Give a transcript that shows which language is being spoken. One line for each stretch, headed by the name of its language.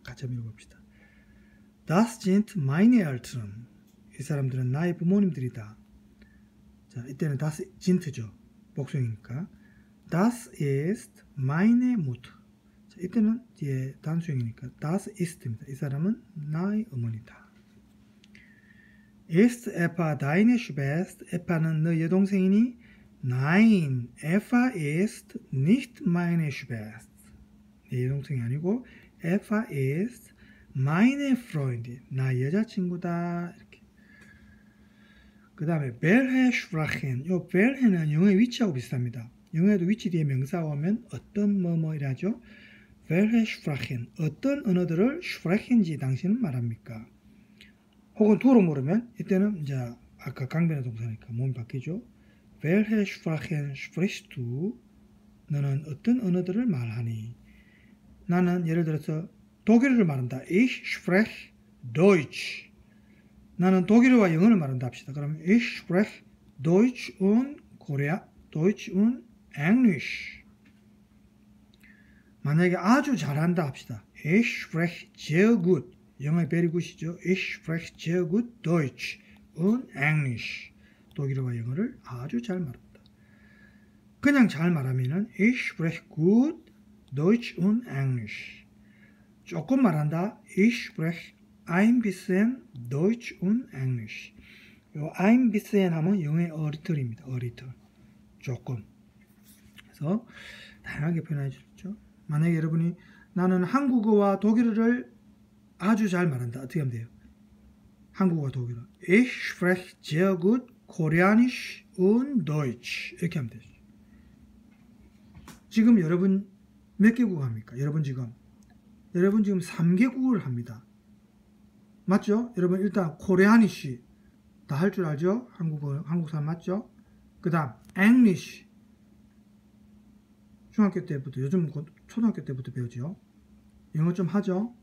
Korean: 같이 한번 읽어봅시다.
German: Das sind meine Eltern.
Korean: 이 사람들은 나의 부모님들이다. 자, 이때는 das sind죠. 복수형이니까.
German: Das ist meine Mutter.
Korean: 자, 이때는 뒤에 단수형이니까 das ist입니다. 이 사람은 나의 어머니다.
German: Ist Eva deine Schwester?
Korean: Eva는 너 여동생이니?
German: Nein, Eva ist nicht meine Schwester.
Korean: 내 여동생이 아니고
German: Eva ist meine Freundin.
Korean: 나 여자친구다. 이렇게. 그 다음에 Welche Sprachen. 요 Welche는 영어의 위치하고 비슷합니다. 영어에도 위치 뒤에 명사가 오면 어떤 뭐뭐이라죠. Welche Sprachen. 어떤 언어들을 Sprachen지 당신은 말합니까? 혹은 두로 물으면 이때는 이제 아까 강변의 동사니까 몸이 바뀌죠.
German: Welche Sprachen sprichst du?
Korean: 너는 어떤 언어들을 말하니? 나는 예를 들어서 독일어를 말한다.
German: Ich spreche Deutsch.
Korean: 나는 독일어와 영어를 말한다 합시다.
German: 그러면 Ich spreche Deutsch und Korea, Deutsch und Englisch.
Korean: 만약에 아주 잘한다 합시다.
German: Ich spreche sehr gut.
Korean: 영어의 very good이죠.
German: Ich spreche sehr gut Deutsch und Englisch.
Korean: 독일어와 영어를 아주 잘 말한다. 그냥 잘 말하면
German: Ich spreche gut Deutsch und Englisch.
Korean: 조금 말한다.
German: Ich spreche ein bisschen Deutsch und Englisch.
Korean: 요 ein bisschen 하면 영어의 a little입니다.
English: a little. 조금.
Korean: 그래서 다양하게 표현해 주셨죠. 만약에 여러분이 나는 한국어와 독일어를 아주 잘 말한다. 어떻게 하면 돼요? 한국어와 독일어.
German: Ich spreche sehr gut Koreanisch und Deutsch.
Korean: 이렇게 하면 되죠. 지금 여러분 몇 개 국어 합니까? 여러분 지금 3개 국어를 합니다. 맞죠? 여러분 일단 코레아니시 다 할 줄 알죠? 한국어 한국 사람 맞죠? 그 다음 앵리시 중학교 때부터 요즘 초등학교 때부터 배우죠? 영어 좀 하죠?